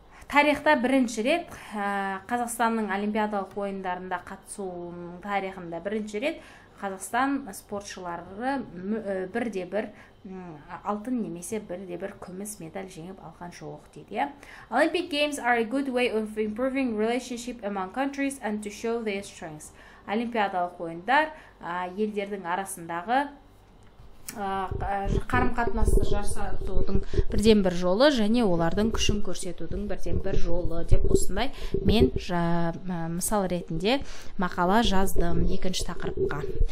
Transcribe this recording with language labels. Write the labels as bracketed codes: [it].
[kk] Тарихта бірінші рет Қазақстанның олимпиадалық ойындарында қатысуының тарихында бірінші рет Қазақстан спортшылары бірде бір алтын немесе бірде бір күміс медаль жеңіп алған жоқ дейді. [en] Olympic Games are a good way of improving relationship among countries and to show their strengths. [kk] Олимпиадалық ойындар елдердің арасындағы қарым-қатынасты жақсартудың бірден бір жолы және олардың күшін көрсетудің бірден бір жолы деп осындай мен мысал ретінде мақала жаздым екінші тақырыпқа.